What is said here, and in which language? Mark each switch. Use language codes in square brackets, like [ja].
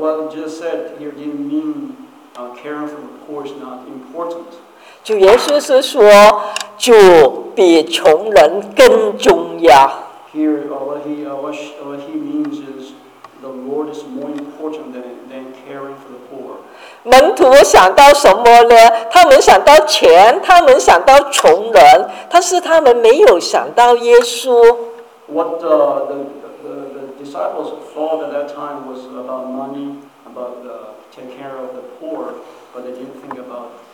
[en] Jesus said here didn't mean caring for the poor is not important. [zh] 主耶稣是说，主比穷人更重要。 [en] Here, what he means is the Lord is more important than caring for the poor. [zh] 门徒想到什么呢？他们想到钱，他们想到穷人，但是他们没有想到耶稣。 [en] What the disciples thought at that time was about money, about taking care of the poor, but they didn't think about.